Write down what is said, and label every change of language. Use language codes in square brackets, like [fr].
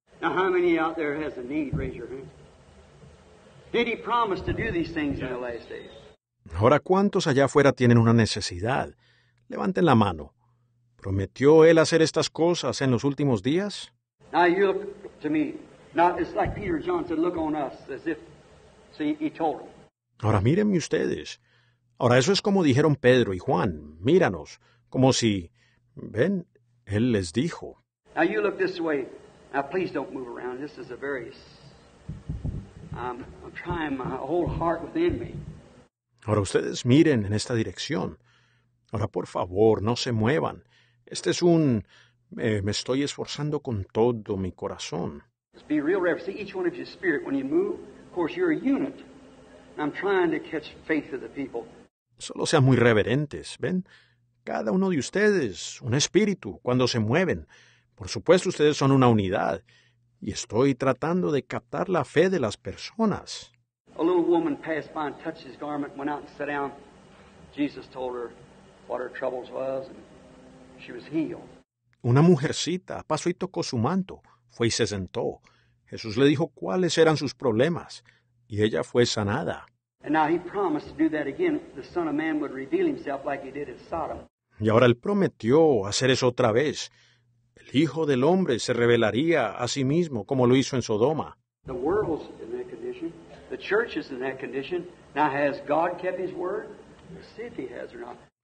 [en] Now, how many out there has a need? Raise your hand. Did He promise to do these things in the last days? [es] Ahora, ¿cuántos allá afuera tienen una necesidad? Levanten la mano. ¿Prometió Él hacer estas cosas en los últimos días? [en] Now you look to me. Now it's like Peter and John said, look on us as if, see, He told them. [es] Ahora mírenme ustedes. Ahora eso es como dijeron Pedro y Juan. Míranos. Como si, ven, Él les dijo. [en] Now you look this way. Now please don't move around. This is a very, I'm trying my whole heart within me. [es] Ahora ustedes miren en esta dirección. Ahora por favor, no se muevan. Este es un... Me estoy esforzando con todo mi corazón. [en] Be real reverent. See, each one of you spirit, when you move, of course, you're a unit. I'm trying to catch faith of the people. [es] Solo sean muy reverentes, ¿ven? Cada uno de ustedes, un espíritu, cuando se mueven. Por supuesto, ustedes son una unidad. Y estoy tratando de captar la fe de las personas. [en] A little woman passed by and touched His garment, went out and sat down. Jesus told her what her troubles was, and she was healed. [es] Una mujercita pasó y tocó su manto, fue y se sentó. Jesús le dijo cuáles eran sus problemas, y ella fue sanada. Y ahora Él prometió hacer eso otra vez. El Hijo del Hombre se revelaría a sí mismo, como lo hizo en Sodoma. [en] The world's in that condition. The church is in that condition. Now, has God kept His word? Let's see if He has or not.